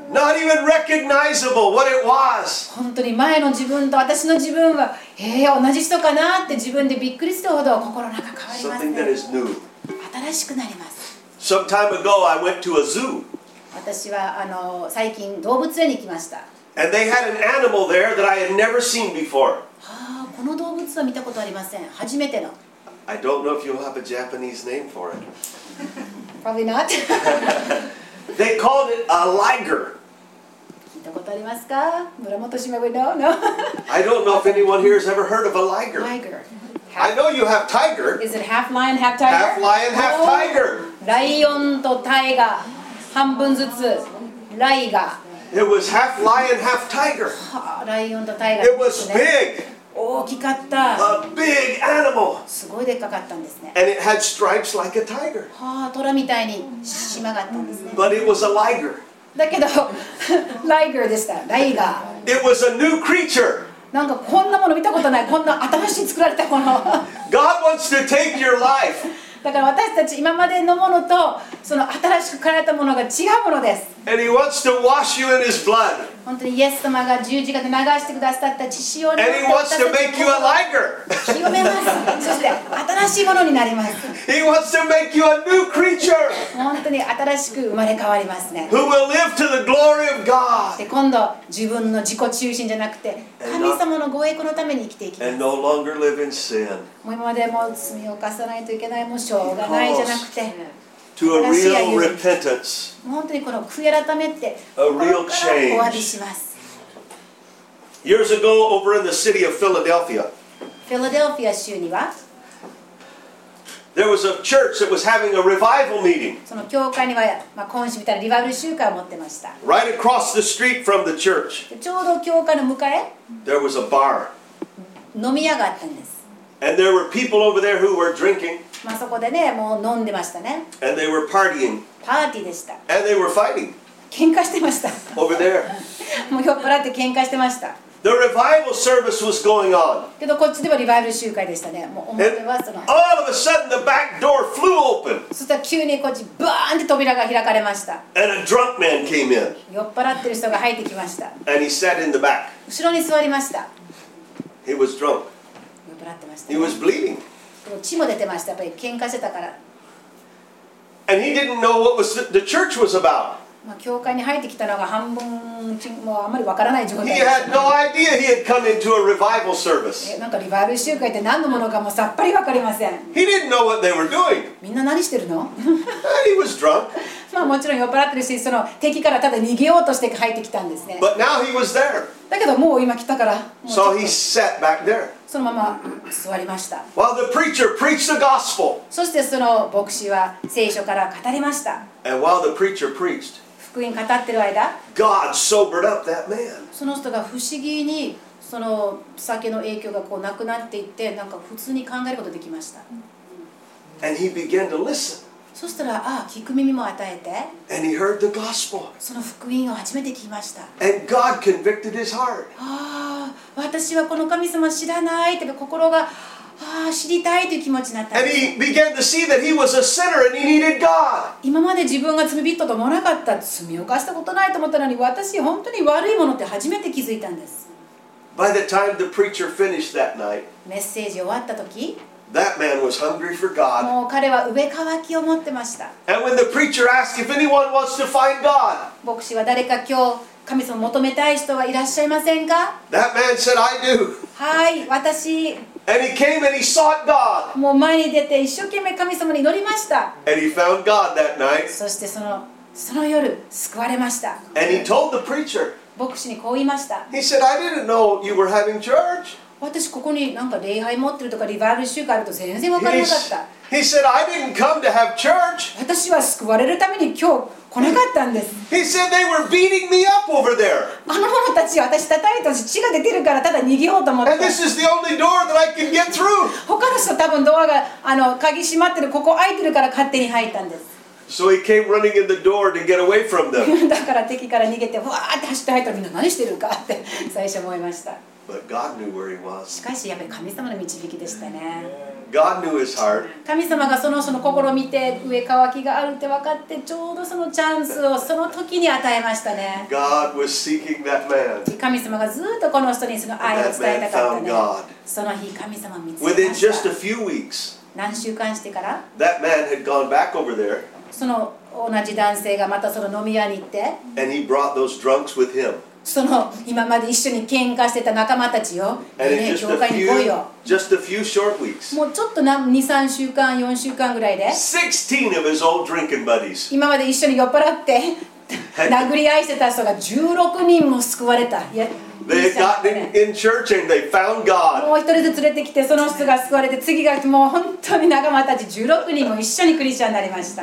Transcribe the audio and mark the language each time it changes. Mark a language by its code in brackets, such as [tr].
[en] Not even recognizable what it was. [ja] 本当に前の自分と私の自分は、同じ人かなって自分でびっくりするほど心の中変わります、ね。 [en] Something that is new. [ja] 新しくなります。 [en] Some time ago, I went to a zoo. [ja] 私は最近動物園に来ました。 [en] And they had an animal there that I had never seen before. [ja] この動物は見たことありません。初めての。 [en] I don't know if you'll have a Japanese name for it. Probably not. They called it a liger. [ja] 聞いたことありますか、村本島部の [en] I don't know if anyone here has ever heard of a liger. Liger. I know you have tiger. Is it half lion, half tiger? Half lion, half tiger. [ja] ライオンとタイガ、半分ずつ、ライガ。 [en] It was half lion, half tiger. [ja] ライオンとタイガ。 [en] It was big. [ja] 大きかった。 [en] A big animal. [ja] すごいでっかかったんですね。 [en] And it had stripes like a tiger. [ja] はあ、トラみたいに縞があったんですね。 [en] But it was a liger. [ja] だけど、ライガーでした。ライガー。 [en] It was a new creature. [ja] なんかこんなもの見たことない。こんな新しい作られたもの。 [en] God wants to take your life. [ja] だから私たち今までのものと、その新しく変えられたものが違うものです。 [en] And he wants to wash you in his blood. [ja] 本当にイエス様が十字架で流してくださった血潮に。 [en] And he wants to make you a liger. [ja] 清めます。そして新しいものになります。 [en] He wants to make you a new creature. [ja] 本当に新しく生まれ変わりますね。 [en] Who will live to the glory of God. [ja] で今度、自分の自己中心じゃなくて、神様のご栄光のために生きていきます。 [en] And no longer live in sin. [ja] もう今までも罪を犯さないといけない、もうしょうがないじゃなくて。 [en] To a real repentance. [ja] 本当にこの悔い改めって、 [en] a real change. [ja] お詫びします。 [en] Years ago, over in the city of Philadelphia, [ja] Philadelphia 州には、 [en] there was a church that was having a revival meeting. [ja] その教会には、まあ今週みたいなリバイバル集会を持ってました。 [en] Right across the street from the church, [ja] ちょうど教会の向かい、 [en] there was a bar. [ja] 飲み屋があったんです。 [en] And there were people over there who were drinking. [ja] まあ、そこでね、もう飲んでましたね。 [en] And they were partying. [ja] パーティーでした。 [en] And they were fighting. [ja] 喧嘩してました。 [en] Over there. [ja] もう酔っ払って喧嘩してました。 [en] The revival service was going on. [ja] けどこっちではリバイバル集会でしたね。もう思ってます。 [en] And all of a sudden the back door flew open. [ja] そしたら急にこっちバーンって扉が開かれました。 [en] And a drunk man came in. [ja] 酔っ払ってる人が入ってきました。 [en] And he sat in the back. [ja] 後ろに座りました。 [en] He was drunk. [ja] 酔っ払ってました、 [en] ね。He was bleeding. [ja] 血も出てました。やっぱり喧嘩してたから。 [en] And he didn't know what was the church was about. [ja] まあ教会に入ってきたのが半分もうあんまりわからない状態。 [en] He had no idea he had come into a revival service. [ja] なんかリバイバル集会って何のものかもさっぱりわかりません。 [en] He didn't know what they were doing. [ja] みんな何してるの？ [en] He was drunk. [ja] まあもちろん酔っ払ってるし、その敵からただ逃げようとして入ってきたんですね。 [en] But now he was there. [ja] だけどもう今来たから。 [en] So he sat back there. [ja] そのまま座りました。 [en] While the preacher preached the gospel. [ja] そしてその牧師は聖書から語りました。 [en] And while the preacher preached, [ja] 福音語ってる間、 [en] God sobered up that man. [ja] その人が不思議にその酒の影響がこうなくなっていって、なんか普通に考えることができました。 [en] And he began to listen. [ja] そしたら、ああ、聞く耳も与えて、 [en] And he heard the gospel. [ja] その福音を初めて聞きました。 [en] And God convicted his heart. [ja] ああ。私はこの神様知らないって心が、知りたいという気持ちになった。 [en] And he began to see that he was a sinner and he needed God. [ja] 今まで自分が罪人と思わなかった、罪を犯したことないと思ったのに、私本当に悪いものって初めて気づいたんです。 [en] By the time the preacher finished that night, [ja] メッセージ終わった時、 [en] that man was hungry for God. [ja] もう彼は上渇きを持ってました。 [en] And when the preacher asked if anyone wants to find God, [ja] 牧師は誰か今日神様を求めたい人はいらっしゃいませんか? [en] That man said, I do. [ja] はい、私。 [en] And he came and he sought God. [ja] もう前に出て一生懸命神様に祈りました。 [en] And he found God that night. [ja] そしてその夜、救われました。 [en] And he told the preacher. [ja] 牧師にこう言いました。 [en] He said, I didn't know you were having church. [ja] 私ここになんか礼拝持ってるとかリバイバル集会あると全然わからなかった。 [en] He said, I didn't come to have church. [ja] 私は救われるために今日来なかったんです。 [en] He said they were beating me up over there. [ja] あの者たちは私叩いて血が出てるからただ逃げようと思って。 [en] And this is the only door that I can get through. [ja] 他の人多分ドアが鍵閉まってるここ開いてるから勝手に入ったんです。 [en] So he came running in the door to get away from them. [ja] だから敵から逃げてわーって走って入ったらみんな何してるかって最初思いました。 [en] But God knew where he was. [ja] しかしやっぱり神様の導きでしたね。 [en] God knew his heart. [ja] 神様がその心を見て上乾きがあるって分かってちょうどそのチャンスをその時に与えましたね。 [en] God was seeking that man. [ja] 神様がずっとこの人にその愛を伝えたかったね。その日神様を見つけました。 [en] Within just a few weeks, [ja] 何週間してから [en] that man had gone back over there. [ja] その同じ男性がまたその飲み屋に行って [en] and he brought those drunks with him. [ja] その今まで一緒に喧嘩してた仲間たちよ、教会に来いよ。 [en] Just a few short weeks. [ja] もうちょっと2、3週間、4週間ぐらいで。 [en] 16 of his old drinking buddies. [ja] 今まで一緒に酔っ払って殴り合いしてた人が16人も救われた。 [en] They had gotten in church and they found God. [ja] もう一人ずつ連れてきてその人が救われて次がもう本当に仲間たち16人も一緒にクリスチャンになりました。